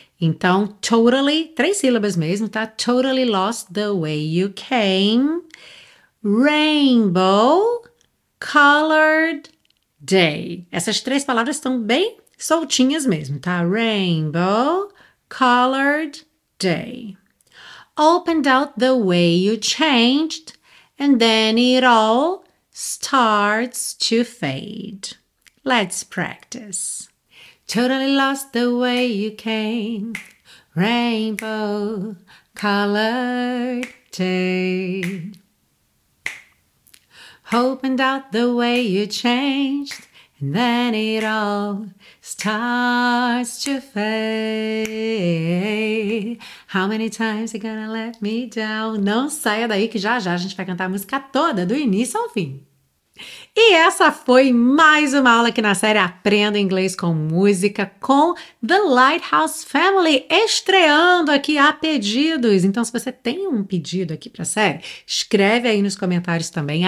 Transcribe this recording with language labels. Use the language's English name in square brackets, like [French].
[Portuguese] Então, totally, três sílabas mesmo, tá? [English] Totally lost the way you came. Rainbow, colored day. [Portuguese] Essas três palavras estão bem soltinhas mesmo, tá? [English] Rainbow, colored day. Opened out the way you changed, and then it all starts to fade. Let's practice. Totally lost the way you came, rainbow colored day. Opened out the way you changed, And then it all starts to fade. How many times you gonna let me down? [Portuguese] Não saia daí que já a gente vai cantar a música toda, do início ao fim. E essa foi mais uma aula aqui na série Aprenda Inglês com Música com The Lighthouse Family, estreando aqui a pedidos. Então, se você tem um pedido aqui para a série, escreve aí nos comentários também.